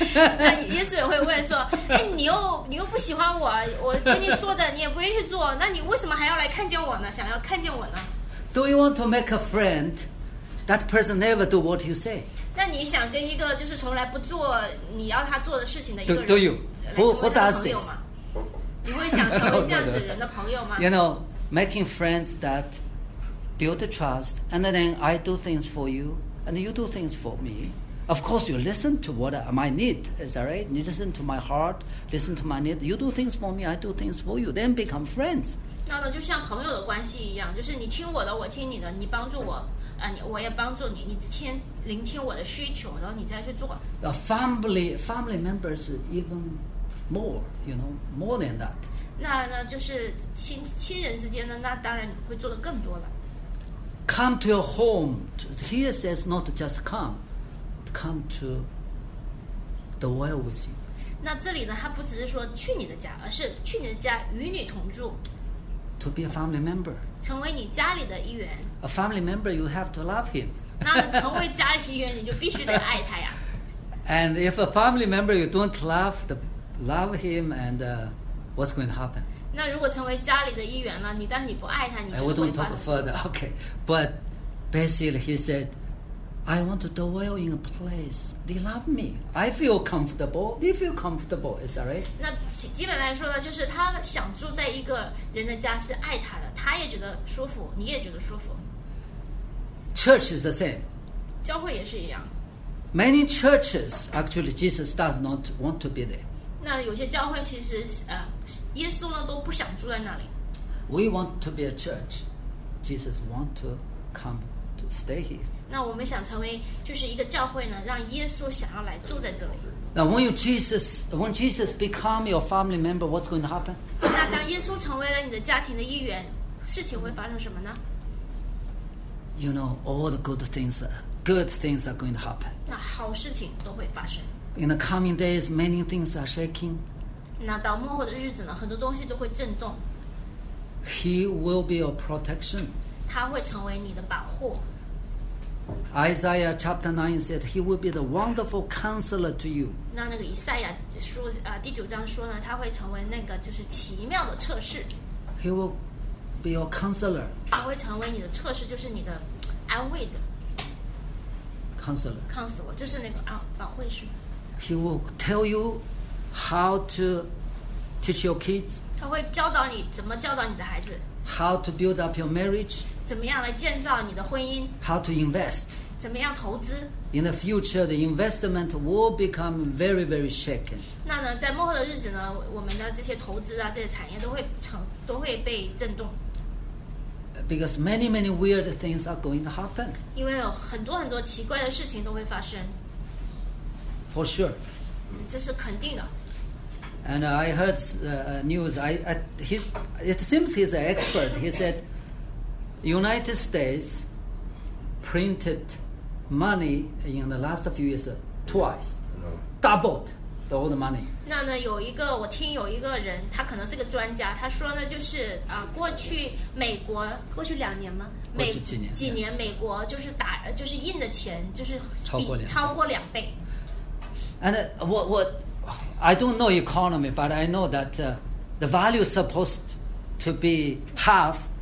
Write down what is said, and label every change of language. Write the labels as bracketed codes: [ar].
[zh] 那耶稣也会问说，哎，你又不喜欢我，我跟你说的你也不愿意去做，那你为什么还要来看见我呢？想要看见我呢？ [en] Do you want to make a friend? That person never do what you say. [zh] 那你想跟一个就是从来不做你要他做的事情的一个人 [en] ？Do you? Who does this? [zh] 你会想成为这样子人的朋友吗？ [en] You know, making friends that. Build trust, and then I do things for you, and you do things for me. Of course, you listen to what my need is, all right? Listen to my heart, listen to my need. You do things for me, I do things for you. Then become friends. [zh] 那呢，就像朋友的关系一样，就是你听我的，我听你的，你帮助我，我也帮助你，你听聆听我的需求，然后你再去做。 [en] The family members even more, you know, more than that. [zh] 那呢，就是亲人之间呢，那当然会做得更多了。 [en] Come to your home. He says not just come to the well with you. [zh] 那这里呢，他不只是说去你的家，而是去你的家与你同住。 [en] To be a family member. [zh] 成为你家里的一员。 [en] A family member, you have to love him. [zh] 那成为家里一员，你就必须得爱他呀。 [en] And if a family member you don't love him, and what's going to happen? [zh] 那如果成为家里的一员了，但你不爱他，你就会发生。 [en] I don't talk further, okay. But basically, he said, "I want to dwell in a place they love me. I feel comfortable. They feel comfortable. Is that right?" [zh] 那基本来说呢，就是他想住在一个人的家，是爱他的，他也觉得舒服，你也觉得舒服。 [en] Church is the same. [zh] 教会也是一样。 [en] Many churches actually, Jesus does not want to be there. [zh] 那有些教会其实耶稣呢都不想住在那里。 [en] We want to be a church. Jesus want to come to stay here. [zh] 那我们想成为就是一个教会呢，让耶稣想要来住在这里。 [en] Now when Jesus become your family member, what's going to happen? [zh] 那当耶稣成为了你的家庭的一员，事情会发生什么呢？ [en] You know, all the good things are going to happen. [zh] 那好事情都会发生。 [en] In the coming days, many things are shaking. [zh] 那到末后的日子呢，很多东西都会震动。 [en] He will be your protection. [zh] 他会成为你的保护。 [en] Isaiah chapter 9 said he will be the wonderful counselor to you. [zh] 那个以赛亚书第九章说呢，他会成为那个就是奇妙的测试。 [en] He will be your counselor. [zh] 他会成为你的测试，就是你的安慰者。 [en] Counselor [zh] 就是那个保惠师。 [en] He will tell you how to teach your kids. [zh] 他会教导你怎么教导你的孩子。 [en] How to build up your marriage. [zh] 怎么样来建造你的婚姻。 [en] How to invest. [zh] 怎么样投资。 [en] In the future, the investment will become very, very shaken. [zh] 那呢，在末后的日子呢，我们的这些投资啊，这些产业都会被震动。 [en] Because many, many weird things are going to happen. [zh] 因为有很多很多奇怪的事情都会发生。 [en] For sure. [zh] 这是肯定的。 [en] And I heard news. It seems he's an expert. He said, United States printed money in the last few years twice, doubled the old money. [zh] 那呢，有一个我听有一个人，他可能是个专家，他说呢，就是过去美国过去两年吗？过去几年？几年美国就是打就是印的钱就是超过两倍。 [en] And what I don't know economy, but I know that the value is supposed to be half.